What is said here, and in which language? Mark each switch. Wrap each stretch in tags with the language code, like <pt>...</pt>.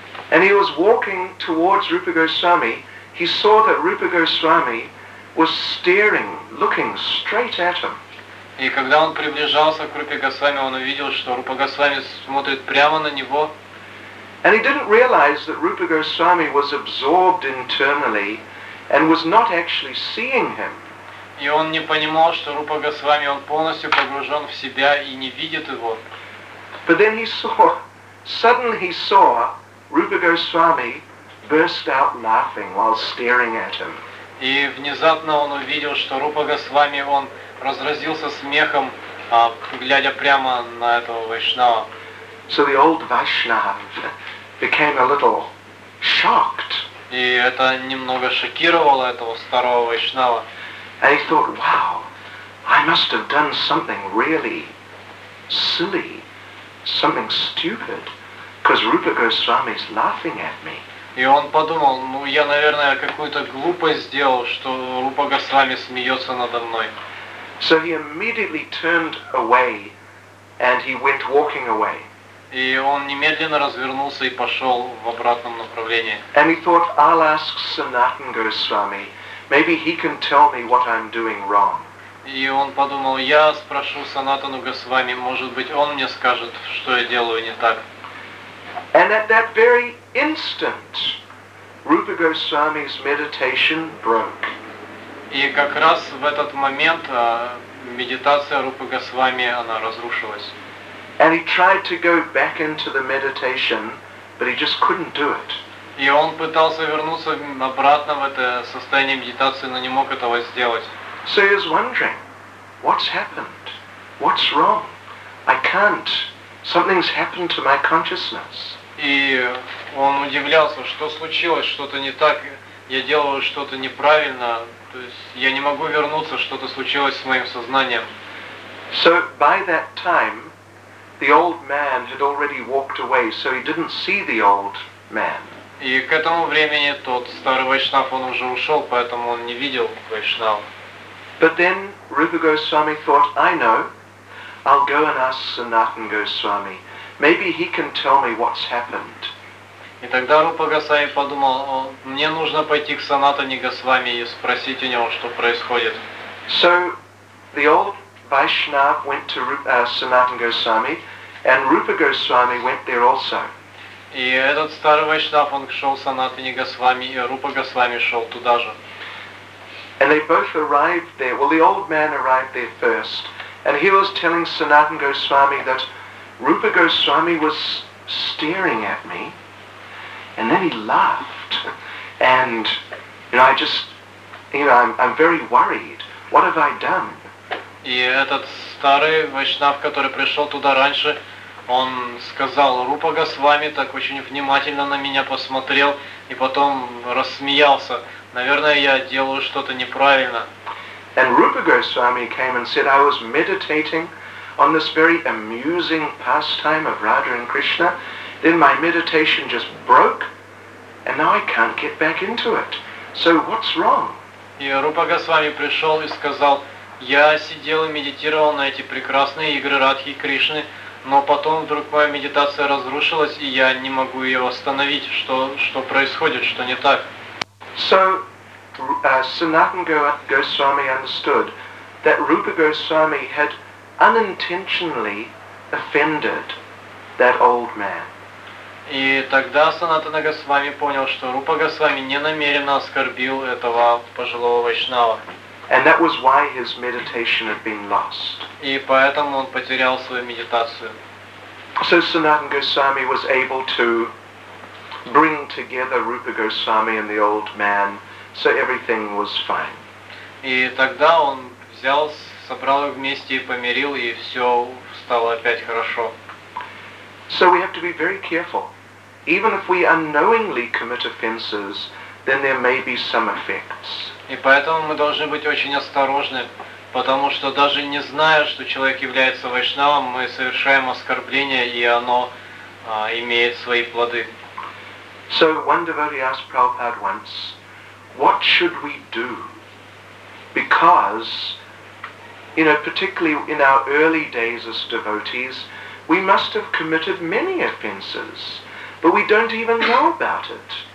<en>And he was walking towards Rupa Goswami, he saw that Rupa Goswami was staring, looking straight at him.</en> <ru>И когда он приближался к Рупе Госвами, он увидел, что Рупа Госвами смотрит прямо на него.</ru> <en>And he didn't realize that Rupa Goswami was absorbed internally and was not actually seeing him.</en> <ru>И он не понимал, что Рупа Госвами, он полностью погружен в себя и не видит его.</ru> <en>But then suddenly he saw Rupa Goswami burst out laughing while staring at him.</en> <ru>И внезапно он увидел, что Рупа Госвами, он разразился смехом, глядя прямо на этого вайшнава.</ru> <en>So the old Vaishnava became a little shocked.</en> <ru>И это немного шокировало этого старого вайшнава.</ru> <en>And he thought, wow, I must have done something really silly, something stupid, because Rupa Goswami is laughing at me.</en> <ru>И он подумал, ну я, наверное, какую-то глупость сделал, что Рупа Госвами смеется надо мной.</ru> <en>So he immediately turned away and he went walking away.</en> <ru>И он немедленно развернулся и пошел в обратном направлении.</ru> <en>And he thought, I'll ask Sanatan Goswami, maybe he can tell me what I'm doing wrong.</en> <ru>И он подумал, я спрошу Санатану Госвами, может быть, он мне скажет, что я делаю не так.</ru> <en>And at that very instant, Rupa Goswami's meditation broke.</en> <ru>И как раз в этот момент медитация Рупы Госвами, она разрушилась.</ru> <en>And he tried to go back into the meditation, but he just couldn't do it.</en> <ru>И он пытался вернуться обратно в это состояние медитации, но не мог этого сделать.</ru> <en>So he was wondering, what's happened? What's wrong? I can't. Something's happened to my consciousness.</en> <ru>И он удивлялся, что случилось, что-то не так, я делаю что-то неправильно, то есть я не могу вернуться, что-то случилось с моим сознанием.</ru> <en>So by that time, the old man had already walked away, so he didn't see the old man.</en> <ru>И к этому времени тот старый вайшнав, он уже ушел, поэтому он не видел вайшнав.</ru> <en>But then Rupa Goswami thought, I know, I'll go and ask Sanatan Goswami. Maybe he can tell me what's happened.</en> <ru>И тогда Рупа Гасай подумал, мне нужно пойти к Санатане Госвами и спросить у него, что происходит.</ru> <en>So the old Vaishnav went to Sanatan Goswami, and Rupa Goswami went there also.</en> <ru>И этот старый вайшнав, он шел к Санатане Госвами, и Рупа Госвами шел туда же.</ru> <en>And they both arrived there. Well, the old man arrived there first, and he was telling Sanatan Goswami that Rupa Goswami was staring at me, and then he laughed, and you know, I just, you know, I'm very worried. What have I done?</en> <ru>И этот старый вайшнав, который пришел туда раньше, он сказал, Рупа Госвами так очень внимательно на меня посмотрел и потом рассмеялся. Наверное, я делаю что-то неправильно.</ru> <en>And Rupa Goswami came and said, I was meditating on this very amusing pastime of Radha and Krishna. Then my meditation just broke, and now I can't get back into it. So what's wrong?</en> <ru>И Рупа Госвами пришел и сказал, я сидел и медитировал на эти прекрасные игры Радхи и Кришны, но потом вдруг моя медитация разрушилась, и я не могу ее остановить. Что происходит? Что не так?</ru> <en>So, Sanatan Goswami understood that Rupa Goswami had unintentionally offended that old man.</en> <ru>И тогда Санатана Госвами понял, что Рупа Госвами не намеренно оскорбил этого пожилого вайшнава.</ru> <en>And that was why his meditation had been lost.</en> <ru>И поэтому он потерял свою медитацию.</ru> <en>So Sanatan Goswami was able to bring together Rupa Goswami and the old man, so everything was fine.</en> <ru>И тогда он взял, собрал их вместе и помирил, и все стало опять хорошо.</ru> <en>So we have to be very careful. Even if we unknowingly commit offenses, then there may be some effects.</en> <ru>И поэтому мы должны быть очень осторожны, потому что даже не зная, что человек является вайшнавом, мы совершаем оскорбление, и оно имеет свои плоды.</ru> <en>So one devotee asked Prabhupada once, what should we do? Because, you know, particularly in our early days as devotees, we must have committed many offenses, but we don't even know about it.</en>